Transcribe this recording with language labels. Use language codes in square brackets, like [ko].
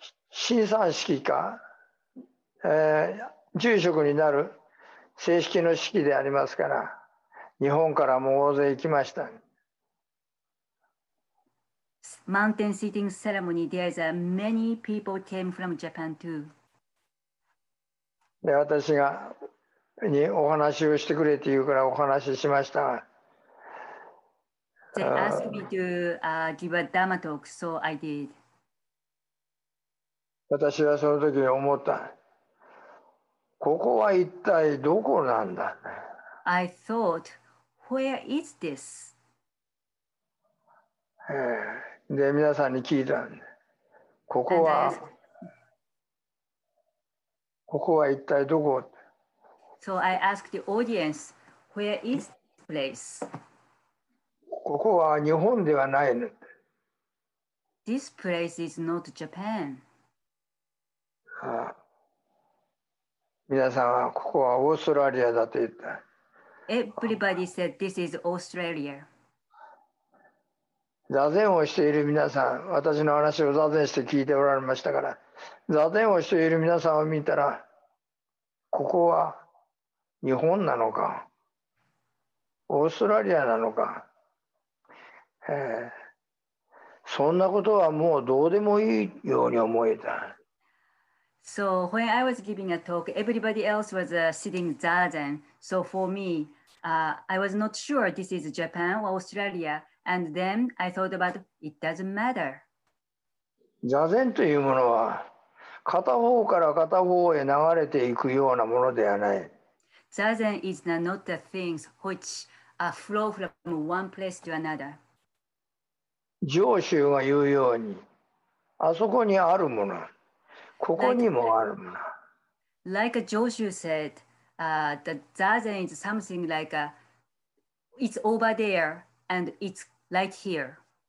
[ja] 新参式か、住職になる正式の式でありますから。日本からも大勢行きました。 [en] Mountain seating ceremony, there is a many people came from Japan too. [ja] で、私がにお話をしてくれって言うからお話ししました。 [en] They asked me to give a Dharma talk, so I did. [ja] 私はその時に思った。ここは一体どこなんだ。 [en] I thought. Where is this? [ja] で、皆さんに聞いたんで、ここは、ここは一体どこ? [en] So I asked the audience, where is this place? [ja] ここは日本ではないの。 [en] This place is not Japan. [ja] 皆さんは、ここはオーストラリアだと言った。 [en] Everybody said this is Australia. [ja] 座禅をしている皆さん、私の話を座禅して聞いておられましたから、座禅をしている皆さんを見たら、ここは日本なのか、オーストラリアなのか、そんなことはもうどうでもいいように思えた。 [en] So when I was giving a talk, everybody else was sitting zazen. So for me,I was not sure this is Japan or Australia, and then I thought about it doesn't matter. [ja] 座禅というものは片方から片方へ流れていくようなものではない。 [en] 座禅 is not the things which flow from one place to another. [ja] 上州が言うようにあそこにあるもの、ここにもあるもの。 [en] Like 上州 said,the zazen is something like a, it's over there and it's right here.